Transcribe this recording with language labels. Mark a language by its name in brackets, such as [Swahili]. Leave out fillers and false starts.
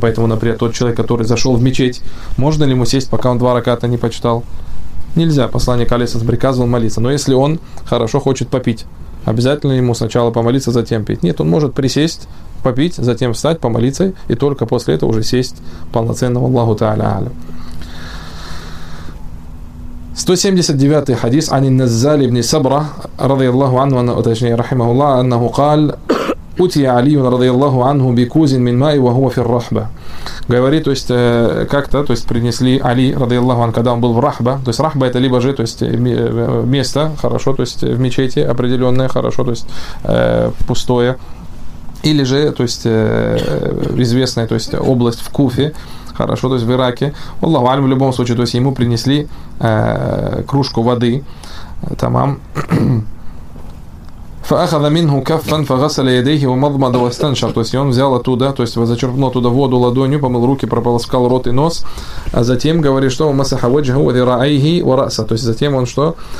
[Russian] Поэтому, например, тот человек, который зашел в мечеть, можно ли ему сесть, пока он два раката не почитал? Нельзя, посланник, алейхиссалату вассалям, приказывал молиться. Но если он хорошо хочет попить, обязательно ему сначала помолиться, затем пить? Нет, он может присесть, попить, затем встать, помолиться, и только после этого уже сесть полноценного Аллаху Та'аля алям. 179-й хадис [Arabic] عن النزال بن سبرة رضي الله عنه وتشنيه رحمه الله أنه قال أتي علي رضي الله عنه بكوز من ماء وهو في الرحبة. [Russian] Говорит, то есть как-то, то есть принесли Али رضي الله عنه, когда он был в Рахба, то есть Рахба это либо же, то есть место хорошо, то есть в мечети определенное хорошо, то есть пустое, или же, то есть известная, то есть область в Куфе. Хорошо, то есть в Ираке. Аллаху алям, в любом случае, то есть ему принесли кружку воды. [Arabic] Тамам. فأخذ منه كفا فغسل يديه ومضمض واستنشق. [Russian] То есть он взял оттуда, то есть зачерпнул оттуда воду ладонью, помыл руки, прополоскал рот и нос, а затем говорит, что [Arabic] масаха ваджху ва зираихи ва раса. [Russian] То есть затем он что?